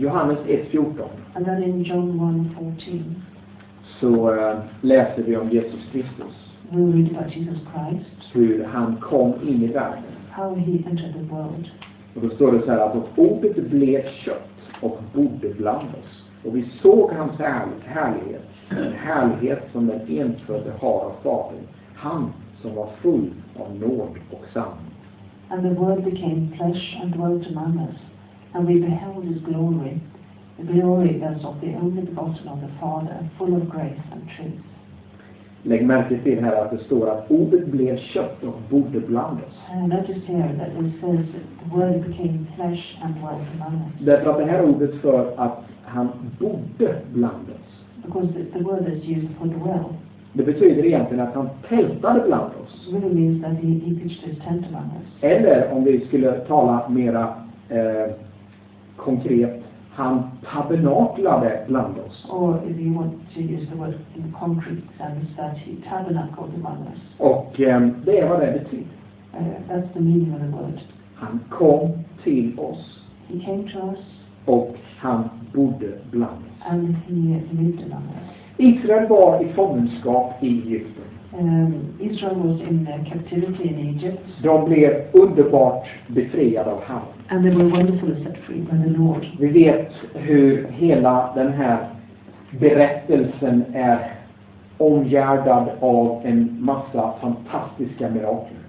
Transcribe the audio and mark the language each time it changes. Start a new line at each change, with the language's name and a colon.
Swedish: Johannes 1:14.
English: And then in John 1:14.
Swedish: Så läser vi om Jesus Kristus.
English: We read about Jesus Christ.
Swedish: Hur han kom in i världen.
English: How he entered the world.
Swedish: Och då står det så här att ordet blev kött och bodde bland oss. Och vi såg hans härlighet. En härlighet som den enfödde har av Fadern. Han som var full av nåd och sanning.
English: And the word became flesh and dwelt among us, and we beheld his glory, the glory that's of the only begotten of the Father, full of grace and truth.
Swedish: Lägg märke till här att det står att ordet blev kött och bodde bland oss.
English: Notice here that it says the word became flesh and dwelt among us.
Swedish: Därför att det här ordet för att han bodde bland oss.
English: Because the word is used for dwell.
Swedish: Det betyder egentligen att han tältade bland oss.
English: Really means that he pitched his tent among us.
Swedish: Eller om vi skulle tala mera konkret, han tabernaklade bland oss.
English: Or if you want to use the word in concrete sense, that he tabernacled among us.
Swedish: Och det är vad det betyder.
English: That's the meaning of the word.
Swedish: Han kom till oss.
English: He came to us.
Swedish: Och han bodde bland oss.
English: And he lived among us.
Swedish: Israel var i fångenskap i Egypten.
English: Israel was in captivity in Egypt.
Swedish: De blev underbart befriade av Herren.
English: And they were wonderfully set free by the Lord.
Swedish: Vi vet hur hela den här berättelsen är omgärdad av en massa fantastiska mirakel.